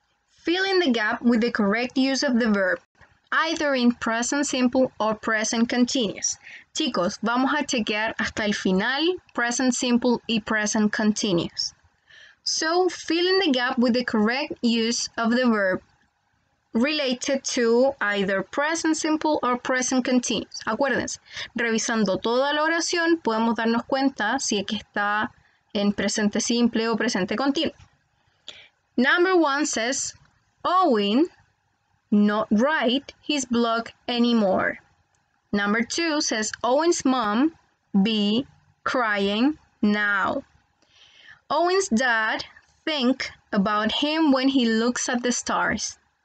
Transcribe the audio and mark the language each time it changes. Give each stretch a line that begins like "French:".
English: Fill in the gap with the correct use of the verb, either in present simple or present continuous.
Spanish: Chicos, vamos a chequear hasta el final present simple y present continuous.
English: So, fill in the gap with the correct use of the verb related to either present simple or present continuous.
Spanish: Acuérdense, revisando toda la oración, podemos darnos cuenta si es que está en presente simple o presente continuo.
English: Number 1 says, Owen not write his blog anymore. Number 2 says, Owen's mom be crying now. Owen's dad think about him when he looks at the stars.